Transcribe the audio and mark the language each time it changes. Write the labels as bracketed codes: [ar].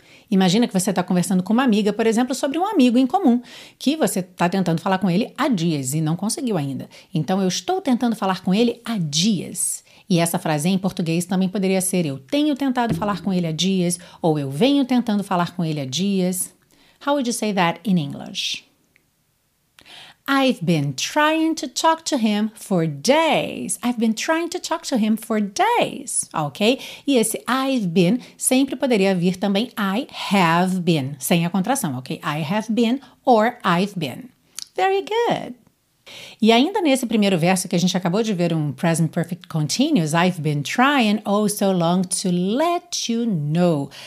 [pt] Imagina que você está conversando com uma amiga, por exemplo, sobre um amigo em comum, que você está tentando falar com ele há dias e não conseguiu ainda. Então, eu estou tentando falar com ele há dias. E essa frase em português também poderia ser eu tenho tentado falar com ele há dias ou eu venho tentando falar com ele há dias. [en] How would you say that in English? I've been trying to talk to him for days. I've been trying to talk to him for days. Ok? [pt] E esse I've been sempre poderia vir também I have been, sem a contração, ok? [en] I have been or I've been. Very good. [pt] E ainda nesse primeiro verso que a gente acabou de ver present perfect continuous, [en] I've been trying oh so long to let you know.